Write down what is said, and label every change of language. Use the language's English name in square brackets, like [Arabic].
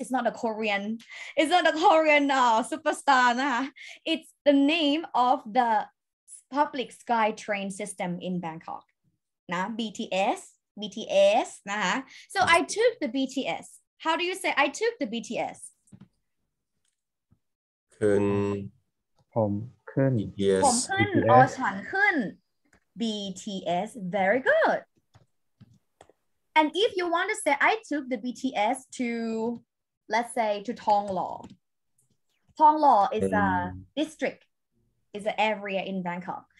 [English] It's not a Korean superstar. Nah. It's the name of the public sky train system in Bangkok. Nah, BTS. Nah. So I took the BTS. How do you say I took the BTS? [Thai] ขึ้น ผมขึ้น [English] BTS [Thai] ผมขึ้น or ฉันขึ้น BTS [English] very good And if you want to say, I took the BTS to, let's say, to Tonglo. Tonglo is a district, is an area in Bangkok.